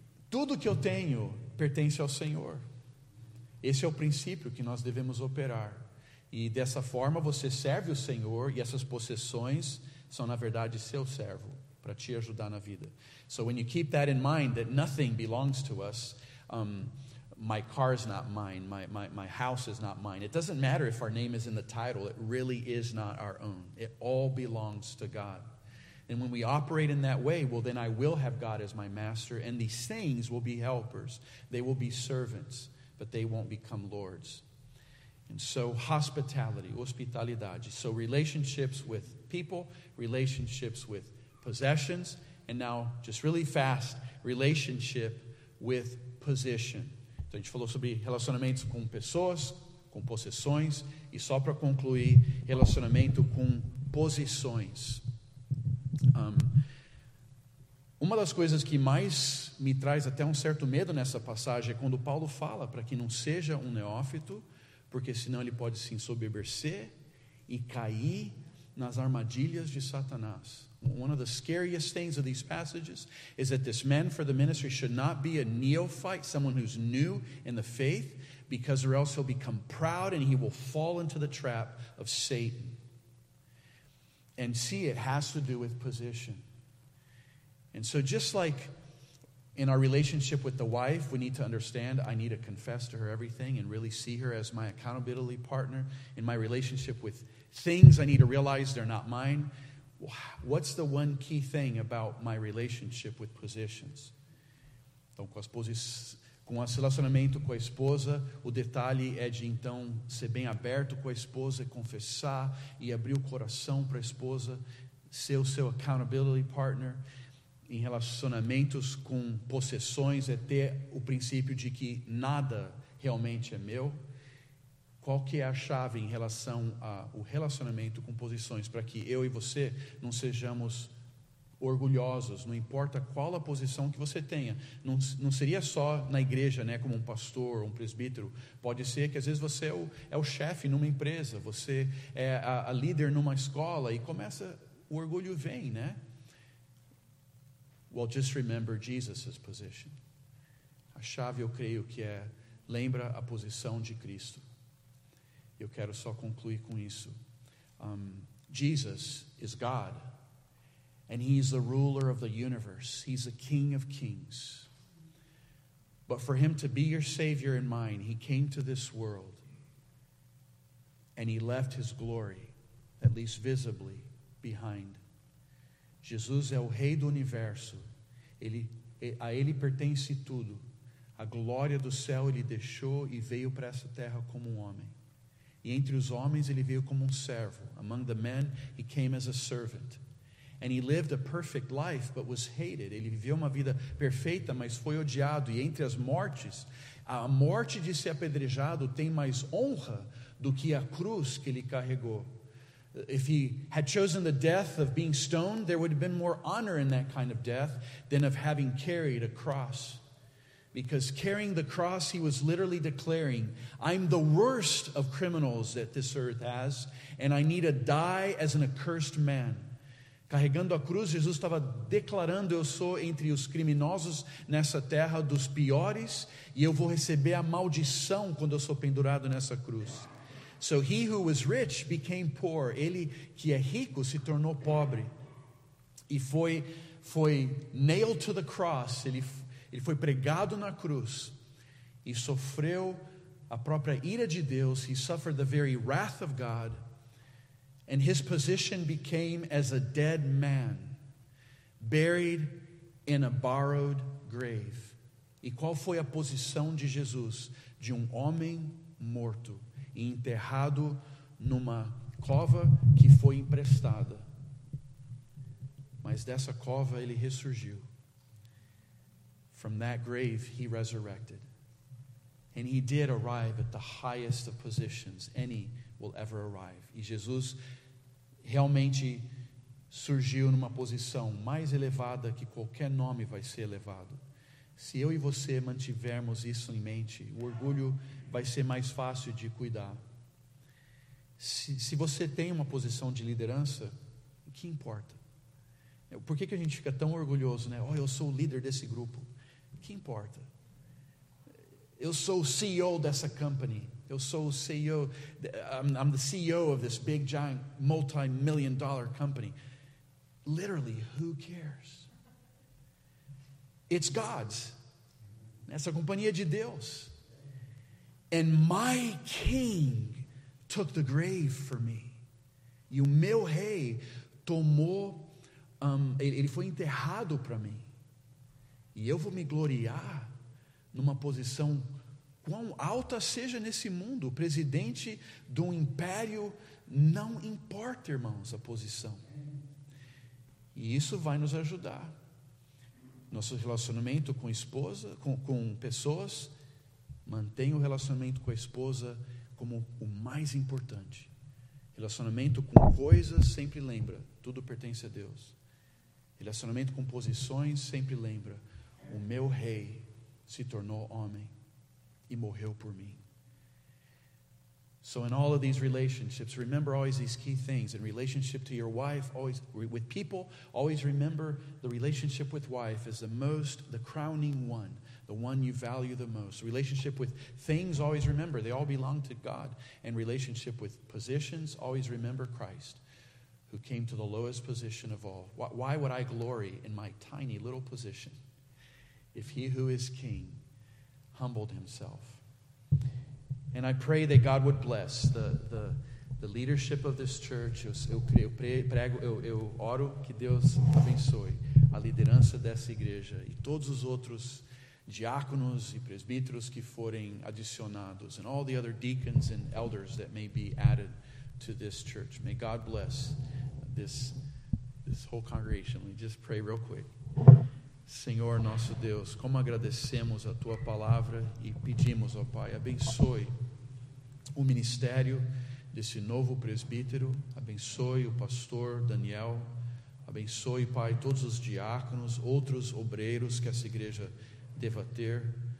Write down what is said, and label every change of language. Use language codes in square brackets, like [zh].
[pt] tudo que eu tenho pertence ao Senhor. Esse é o princípio que nós devemos operar. E dessa forma você serve o Senhor, e essas possessões são, na verdade, seu servo, para te ajudar na vida. [en] So when you keep that in mind, that nothing belongs to us, my car is not mine, my house is not mine. It doesn't matter if our name is in the title, it really is not our own. It all belongs to God. And when we operate in that way, well, then I will have God as my master, and these things will be helpers. They will be servants, but they won't become lords. And so hospitalidade, so relationships with people, relationships with possessions, and now, just really fast, relationship with position. [pt] Então, a gente falou sobre relacionamentos com pessoas, com possessões, e só para concluir, relacionamento com posições. Uma das coisas que mais me traz até certo medo nessa passagem é quando Paulo fala para que não seja neófito, porque senão ele pode se ensoberbecer e cair nas armadilhas de Satanás. [en] One of the scariest things of these passages is that this man for the ministry should not be a neophyte, someone who's new in the faith, because or else he'll become proud and he will fall into the trap of Satan. And see, it has to do with position. And so just like in our relationship with the wife, we need to understand I need to confess to her everything and really see her as my accountability partner. In my relationship with things, I need to realize they're not mine. What's the one key thing about my relationship with positions? [pt] Então, com o relacionamento com a esposa, o detalhe é de, então, ser bem aberto com a esposa, confessar e abrir o coração para a esposa, ser o seu [en] accountability partner. [pt] Em relacionamentos com possessões, é ter o princípio de que nada realmente é meu. Qual que é a chave em relação ao relacionamento com posições para que eu e você não sejamos orgulhosos, não importa qual a posição que você tenha. Não seria só na igreja, né, como um pastor, um presbítero. Pode ser que às vezes você é o chefe numa empresa, você é a líder numa escola e começa, o orgulho vem, né? [en] Well, just remember Jesus' position. [pt] A chave, eu creio que é, lembra a posição de Cristo. Eu quero só concluir com isso. [en] Jesus is God, and he is the ruler of the universe. He's the King of Kings. But for him to be your Savior and mine, he came to this world, and he left his glory, at least visibly, behind. [pt] Jesus é o Rei do Universo. A ele pertence tudo. A glória do céu ele deixou e veio para essa terra como homem. E entre os homens ele veio como servo. [en] Among the men, he came as a servant. And he lived a perfect life, but was hated. [pt] Ele viveu uma vida perfeita, mas foi odiado. E entre as mortes, a morte de ser apedrejado tem mais honra do que a cruz que ele carregou. [en] If he had chosen the death of being stoned, there would have been more honor in that kind of death than of having carried a cross. Because carrying the cross, he was literally declaring, I'm the worst of criminals that this earth has, and I need to die as an accursed man. [pt] Carregando a cruz, Jesus estava declarando, eu sou entre os criminosos nessa terra dos piores, e eu vou receber a maldição quando eu sou pendurado nessa cruz. [en] So he who was rich became poor. [pt] Ele que é rico se tornou pobre. E foi [en] nailed to the cross. [pt] Ele foi pregado na cruz e sofreu a própria ira de Deus. [en] He suffered the very wrath of God, and his position became as a dead man, buried in a borrowed grave. [pt] E qual foi a posição de Jesus? De homem morto. e enterrado numa cova que foi emprestada. Mas dessa cova ele ressurgiu. [en] From that grave he resurrected. And he did arrive at the highest of positions any will ever arrive. [pt] E Jesus realmente surgiu numa posição mais elevada que qualquer nome vai ser elevado. Se eu e você mantivermos isso em mente, o orgulho vai ser mais fácil de cuidar. Se você tem uma posição de liderança, o que importa? Por que a gente fica tão orgulhoso, né? Oh, eu sou o líder desse grupo. O que importa? Eu sou o CEO dessa [en] company. [pt] Eu sou o CEO. [en] I'm the CEO of this big, giant, multi-million dollar company. Literally, who cares? It's God's. [pt] Essa companhia de Deus. [en] And my king took the grave for me. [pt] E o meu rei tomou, ele foi enterrado para mim. E eu vou me gloriar numa posição quão alta seja nesse mundo. Presidente de um império, não importa, irmãos, a posição. E isso vai nos ajudar. Nosso relacionamento com esposa, com pessoas, mantenha o relacionamento com a esposa como o mais importante. Relacionamento com coisas, sempre lembra, tudo pertence a Deus. Relacionamento com posições, sempre lembra, o meu rei se tornou homem e morreu por mim. [en] So in all of these relationships, remember always these key things. In relationship to your wife, always with people, always remember the relationship with wife is the most, the crowning one, the one you value the most. Relationship with things, always remember, they all belong to God. And relationship with positions, always remember Christ, who came to the lowest position of all. Why would I glory in my tiny little position if he who is king humbled himself? And I pray that God would bless the leadership of this church. [pt] Eu oro que Deus abençoe a liderança dessa igreja e todos os outros diáconos e presbíteros que forem adicionados, [en] and all the other deacons and elders that may be added to this church. May God bless this whole congregation. Let me just pray real quick. [pt] Senhor nosso Deus, como agradecemos a tua palavra e pedimos, ó Pai, abençoe o ministério desse novo presbítero, abençoe o pastor Daniel, abençoe, Pai, todos os diáconos, outros obreiros que essa igreja deva ter.